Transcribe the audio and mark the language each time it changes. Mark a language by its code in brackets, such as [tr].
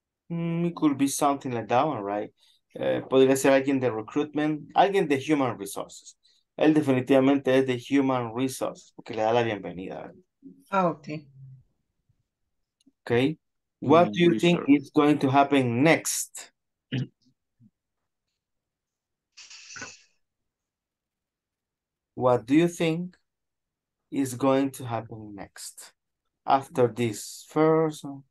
[en] It could be something like that one, right? [es] Podría ser alguien de recruitment, alguien de human resources. Él definitivamente es de human resources, porque le da la bienvenida. Ah, okay. Okay. [en] What do you think is going to happen next? What do you think is going to happen next after this first?